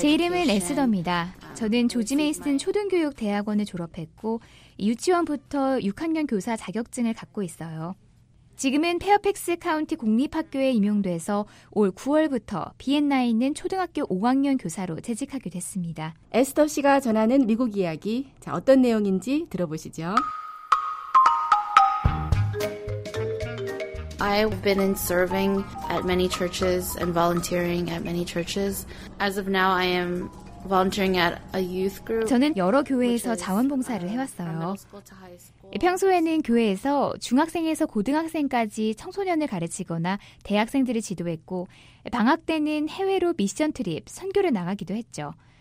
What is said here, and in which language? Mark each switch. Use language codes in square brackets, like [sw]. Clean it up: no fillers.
[ko] 제 이름은 에스더입니다. 저는 조지 메이슨 초등교육 대학원을 졸업했고 유치원부터 6학년 교사 자격증을 갖고 있어요. 지금은 페어팩스 카운티 공립학교에 임용돼서 올 9월부터 비엔나에 있는 초등학교 5학년 교사로 재직하게 됐습니다. 에스더 씨가 전하는 미국 이야기, 자, 어떤 내용인지 들어보시죠. [en] I've been in serving at many churches and volunteering at many churches. As of now, I am volunteering at a youth group. [ko] 저는 여러 교회에서 자원봉사를 해왔어요. 평소에는 교회에서 중학생에서 고등학생까지 청소년을 가르치거나 대학생들을 지도했고 방학 때는 해외로 미션 트립, 선교를 나가기도 했죠.